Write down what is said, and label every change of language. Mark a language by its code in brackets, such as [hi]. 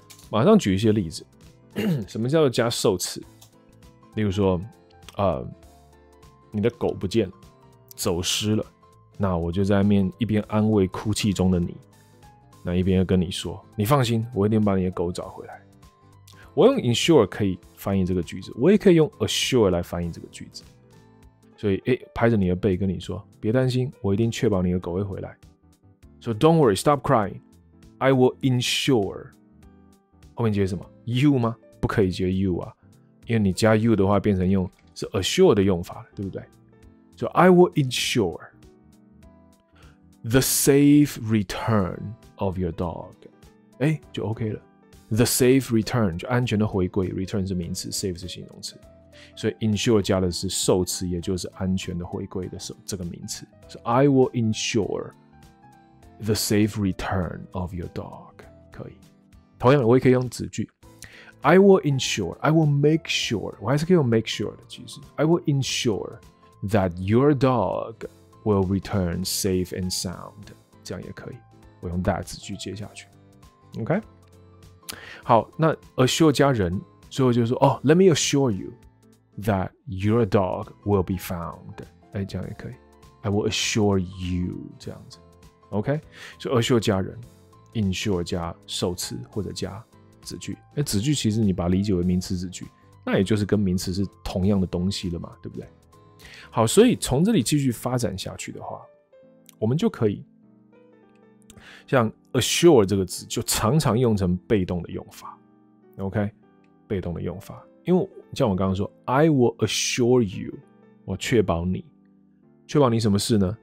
[zh] 马上举一些例子，什么叫做加受词？例如说，你的狗不见了，走失了，那我就在面一边安慰哭泣中的你，那一边又跟你说，你放心，我一定把你的狗找回来。我用 ensure 可以翻译这个句子，我也可以用 assure 来翻译这个句子。所以，拍着你的背跟你说，别担心，我一定确保你的狗会回来。 [en] So don't worry, stop crying, I will ensure. [zh] 后面接什么 ？You 吗？不可以接 You 啊，因为你加 You 的话，变成用是 assure 的用法，对不对？所以 [en] I will ensure the safe return of your dog， [zh] 就 OK 了。 [en] The safe return [zh] 就安全的回归 ，return 是名词 ，safe 是形容词，所以 ensure 加的是受词，也就是安全的回归的这个名词。所以 [en] I will ensure the safe return of your dog， [zh] 可以。同样的，我也可以用子句 ， [en] I will ensure, I will make sure， [zh] 我还是可以用 [en] make sure [zh] 的，其实 ， [en] I will ensure that your dog will return safe and sound， [zh] 这样也可以，我用 that 子句接下去 ，OK， 好，那 assure 加人，所以我就说，哦 ， [en] let me assure you that your dog will be found， [zh] 这样也可以 ， [en] I will assure you [zh] 这样子 ，OK， 所以 assure 加人。 Ensure 加受词或者加子句，子句其实你把它理解为名词子句，那也就是跟名词是同样的东西了嘛，对不对？好，所以从这里继续发展下去的话，我们就可以像 assure 这个字就常常用成被动的用法 ，OK， 被动的用法，因为像我刚刚说 ， [en] I will assure you， [zh] 我确保你，确保你什么事呢？